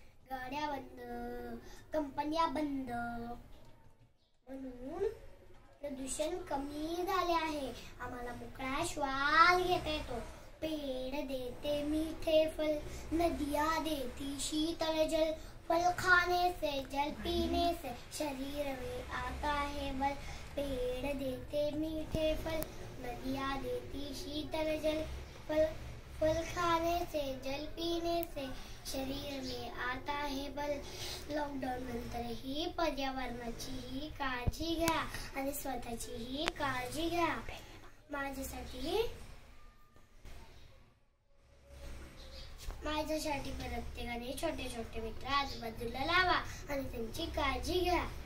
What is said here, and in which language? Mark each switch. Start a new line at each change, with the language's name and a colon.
Marathi: गाड्या बंद, कंपन्या बंद, म्हणून प्रदूषण कमी झाले आहे. आम्हाला मोकळा श्वास घेता येतो.
Hindi: पेड देते मीठे फल, नदिया देती शीतल जल, फल खाने से जल पीने से शरीर में आता है बल. पेड देते मीठे फल, नदिया देती शीतल जल, फल खाने से जल पीने से शरीर में आता है बल.
Marathi: लॉकडाऊन नंतर ही पर्यावरणाची ही काळजी घ्या आणि स्वतःची ही काळजी घ्या. माझ्यासाठी प्रत्येकाने छोटे छोटे मित्र आजूबाजूला लावा आणि त्यांची काळजी घ्या.